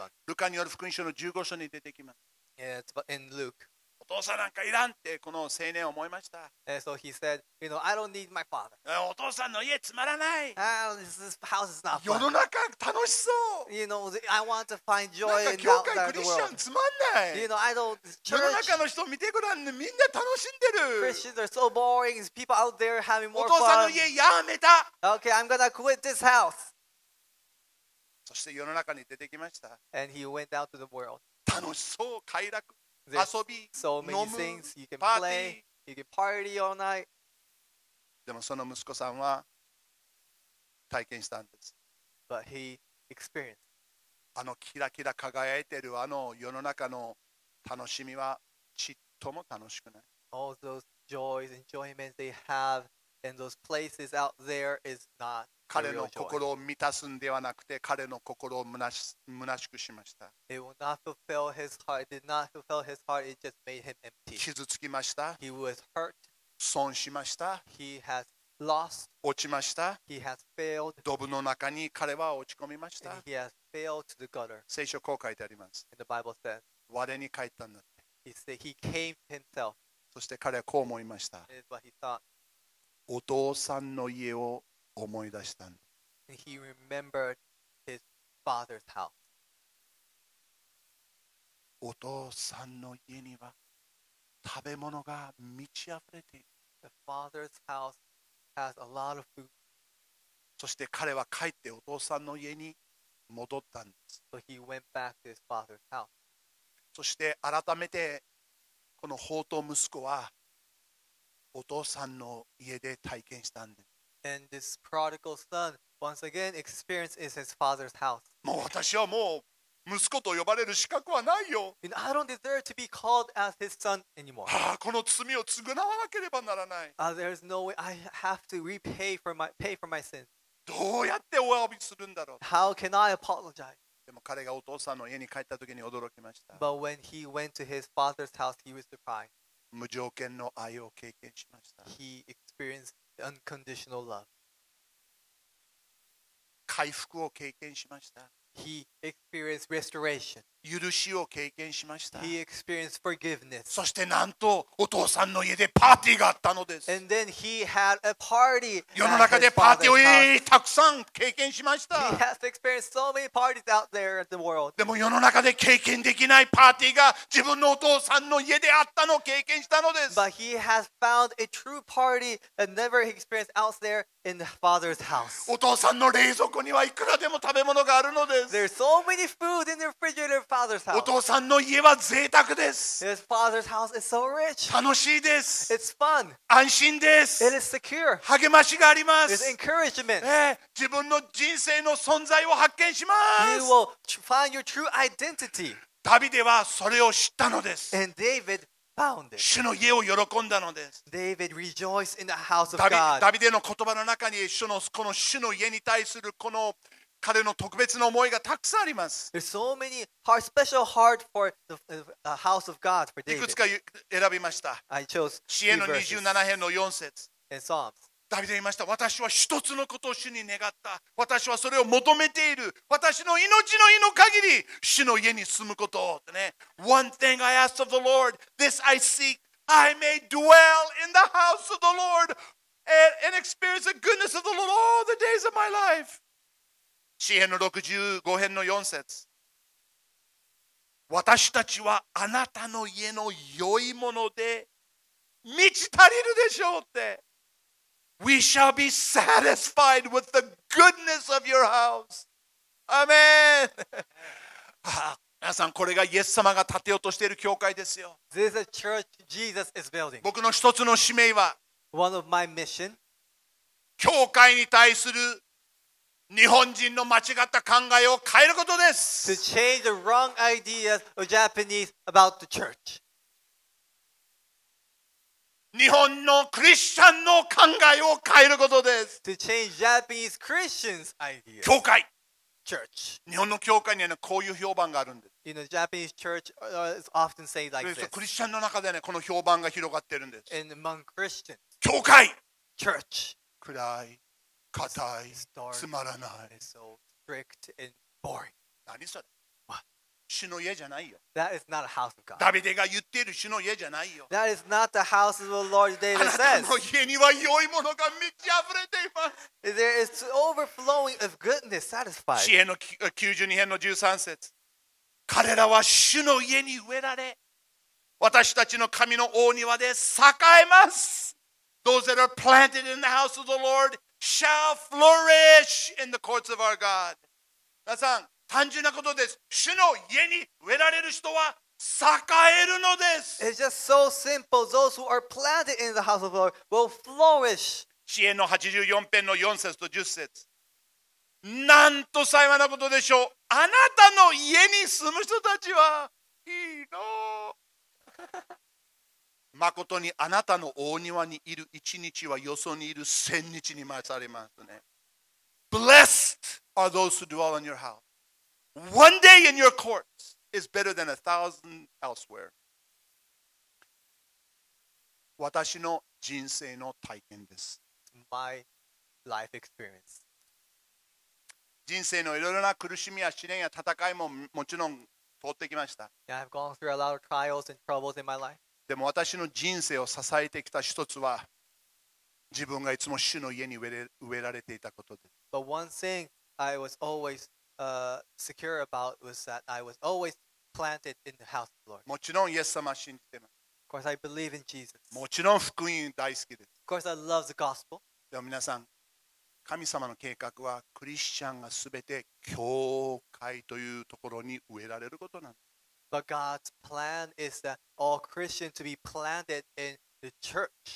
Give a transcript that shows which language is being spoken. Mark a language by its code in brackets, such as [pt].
[ja] ルカによる福音書の15章に出てきます。 [en] Yeah, in Luke. [ja] お父さんなんかいらんってこの青年思いました。 [en] So he said, you know, I don't need my father. [ja] お父さんの家つまらない。 [en] This house is not fun. [ja] 世の中楽しそう。 [en] You know, I want to find joy in the world. [ja] なんか教会クリスチャンつまんない。 [en] You know, I don't. [ja] 世の中の人見てごらん、ね、みんな楽しんでる。 [en] Christians are so boring. People out there having more fun. [ja] お父さんの家やめた。 [en] Okay, I'm gonna quit this house. [ja] そして世の中に出てきました。 [en] And he went out to the world. [ja] 楽しそう、快楽、 [en] There's、 [ja] 遊び、 [en] so、 [ja] 飲む、 [en] things. You can play, パーティー、you can party all night. [ja] でもその息子さんは体験したんです。 [en] But he experienced. [ja] あのキラキラ輝いてるあの世の中の楽しみはちっとも楽しくない。 [en] All those joys, enjoyments they have and those places out there is not. [ja] 彼の心を満たすんではなくて彼の心を虚しくしました。 [en] It will not fulfill his heart. It did not fulfill his heart. It just made him empty. [ja] 傷つきました。 [en] He was hurt. [ja] 損しました。 [en] He has lost. [ja] 落ちました。 [en] He has failed. [ja] ドブの中に彼は落ち込みました。 [en] And he has failed to the gutter. [ja] 聖書こう書いてあります。 [en] And the Bible says, [ja] 我に帰ったんだって。 [en] He said he came himself. [ja] そして彼はこう思いました。 [en] It is what he thought. [ja] お父さんの家を思い出したんだ。 [en] He remembered his father's house. [ja] お父さんの家には食べ物が満ち溢れている。 [en] The father's house has a lot of food. [ja] そして彼は帰ってお父さんの家に戻ったんです。 [en] So he went back to his father's house. [ja] そして改めてこの放蕩息子はお父さんの家で体験したんです。 [en] And this prodigal son, once again, experiences his father's house. [ja] もう私はもう息子と呼ばれる資格はないよ。 [en] And I don't deserve to be called as his son anymore. [ja] ああ、この罪を償わなければならない。 [en] There's no way I have to repay for my, pay for my sins. [ja] どうやってお詫びするんだろう。 [en] How can I apologize? [ja] でも彼がお父さんの家に帰った時に驚きました。 [en] But when he went to his father's house, he was surprised. [ja] 無条件の愛を経験しました。 [en] He experiencedUnconditional love. [ja] 回復を経験しました。 [en] He experienced restoration. [ja] 許しを経験しました。 [en] He experienced forgiveness. [ja] そしてなんとお父さんの家でパーティーがあったのです。 [en] And then he had a party. [ja] 世の中でパーティーをたくさん経験しました。 [en] He has experienced so many parties out there in the world. [ja] でも世の中で経験できないパーティーが自分のお父さんの家であったのを経験したのです。 [en] But he has found a true party that never experienced out there in the father's house. [ja] お父さんの冷蔵庫にはいくらでも食べ物があるのです。 [en] There's so many food in the refrigerator. [ja] お父さんの家は贅沢です。 [en] His father's house is so rich. [ja] 楽しいです。 [en] It's fun. [ja] 安心です。 [en] It is secure. [ja] 励ましがあります。 [en] It's encouragement. [ja] 自分の人生の存在を発見します。 [en] You will find your true identity. [ja] ダビデはそれを知ったのです。 [en] And David found it. [ja] 主の家を喜んだのです。 [en] David rejoiced in the house of God. [ja] ダビデの言葉の中に主のこの主の家に対するこの彼の特別な思いがたくさんあります。 [en] There's so many heart, special heart for the house of God for David. [ja] いくつか選びました。 [en] I chose [ja] 詩編の27編の4節。 [en] In Psalms. [ja] ダビデ言いました。私は一つのことを主に願った。私はそれを求めている。私の命の命の限り、主の家に住むことを、ね。 [en] One thing I ask of the Lord, this I seek, I may dwell in the house of the Lord and experience the goodness of the Lord all the days of my life. [ja] 詩編の65編の4節、私たちはあなたの家の良いもので満ち足りるでしょうって。 [en] We shall be satisfied with the goodness of your house. Amen. [ja] 皆さん、これがイエス様が建てようとしている教会ですよ。 [en] This is a church Jesus is building. [ja] 僕の一つの使命は、 [en] One of my mission. [ja] 教会に対する日本人の間違った考えを変えることです。 [en] To change the wrong ideas of Japanese about the church. [ja] 日本のクリスチャンの考えを変えることです。 [en] To change Japanese Christians' ideas. [ja] 教会、 [en] church. [ja] 日本の教会には、ね、こういう評判があるんです。 [en] You know, Japanese church is often say like this. [ja] クリスチャンの中で、ね、この評判が広がってるんです。 [en] And among Christians. [ja] 教会、 [en] church. [ja] 暗い、硬い、つまらない。 [en] It's so strict and boring. [ja] 何それ、 [en] What? [ja] 主の家じゃないよ。 [en] That is not a house of God. [ja] ダビデが言っている主の家じゃないよ。 [en] That is not the house of the Lord David says. [ja] あなたの家には良いものが満ち溢れています。 [en] There is overflowing of goodness satisfied. [ja] 詩編の92編の13節、彼らは主の家に植えられ、私たちの神の大庭で栄えます。 [en] Those that are planted in the house of the LordShall flourish in the courts of our God. [ja] 皆さん、単純なことです。主の家に植えられる人は栄えるのです。 [en] It's just so simple. Those who are planted in the house of the Lord will flourish. [ja] 詩編の84編の4節と10節。なんと幸いなことでしょう。あなたの家に住む人たちはいいの。まことにあなたの大庭にいる一日はよそにいる千日に勝りますね。 [en] Blessed are those who dwell in your house. One day in your courts is better than a thousand elsewhere. [ja] 私の人生の体験です。 [en] My life experience. [ja] 人生のいろいろな苦しみや試練や戦いももちろん通ってきました。 [en] Yeah, I've gone through a lot of trials and troubles in my life. [ja] でも私の人生を支えてきた一つは、自分がいつも主の家に植えられていたことです。 [en] But one thing I was always secure about was that I was always planted in the house of the Lord. [ja] もちろんイエス様信じてます。 [en] Of course I believe in Jesus. [ja] もちろん福音大好きです。 [en] Of course I love the gospel. [ja] でも皆さん、神様の計画はクリスチャンがすべて教会というところに植えられることなんです。 [en] But God's plan is that all Christians to be planted in the church.